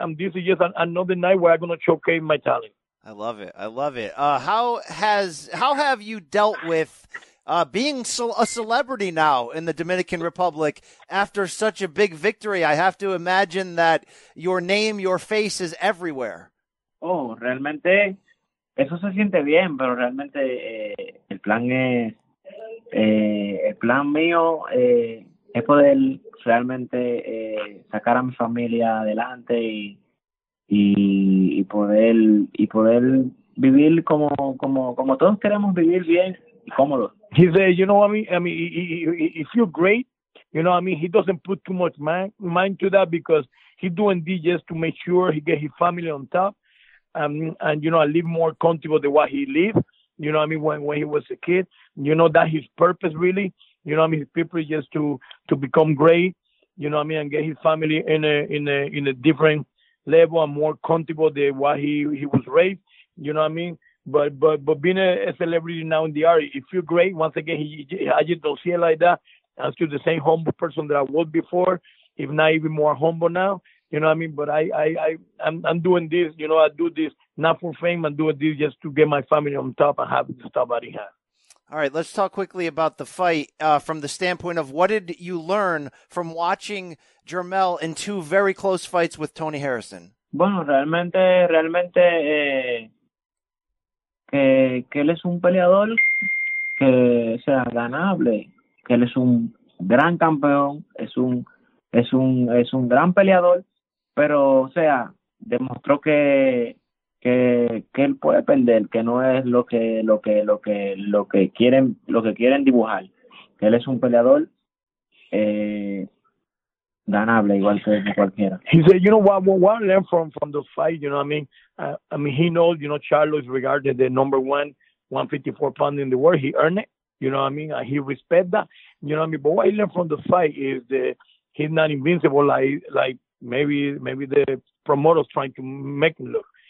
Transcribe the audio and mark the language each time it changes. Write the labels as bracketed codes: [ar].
[en] And this is just another night where I'm going to showcase my talent. I love it. I love it. How have you dealt with being a celebrity now in the Dominican Republic after such a big victory? I have to imagine that your name, your face is everywhere. [es] Oh, realmente, eso se siente bien, pero realmente el plan mío es poder realmente sacar a mi familia adelante y poder vivir como todos queremos vivir bien y cómodo. [en] He said, you know what I mean? I mean, he feels great. You know what I mean? He doesn't put too much mind to that because he's doing DJs to make sure he get his family on top. And you know, I live more comfortable than what he lived, you know what I mean, when he was a kid. You know, that his purpose really, you know what I mean, his people is just to become great, you know what I mean, and get his family in a different level and more comfortable than what he was raised, you know what I mean? But being a celebrity now in the area, it feels great. Once again, I just don't see it like that. I'm still the same humble person that I was before, if not even more humble now. You know what I mean? But I'm doing this, you know, I do this not for fame, I'm doing this just to get my family on top and have the stuff that he has. All right, let's talk quickly about the fight from the standpoint of what did you learn from watching Jermell in two very close fights with Tony Harrison? [es] Bueno, realmente que él es un peleador que sea ganable, que él es un gran campeón, es un gran peleador. Pero, o sea, demostró que él puede perder, que no es lo que quieren dibujar. Que él es un peleador ganable, igual que cualquiera. [en] He said, you know what I learned from the fight, you know what I mean? I mean, he knows, you know, Charlo is regarded the number one 154 pound in the world. He earned it, you know what I mean? He respect that, you know what I mean? But what I learned from the fight is that he's not invincible like maybe the promoter's trying to make him look.